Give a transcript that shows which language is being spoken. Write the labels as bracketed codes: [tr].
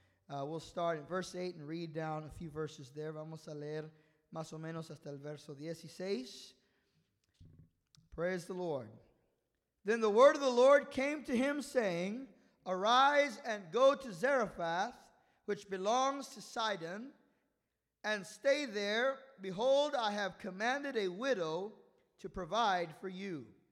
[en] We'll start in verse 8 and read down a few verses there. [es] Vamos a leer más o menos hasta el verso 16. [en] Praise the Lord. Then the word of the Lord came to him, saying, arise and go to Zarephath, which belongs to Sidon, and stay there. Behold, I have commanded a widow to provide for you.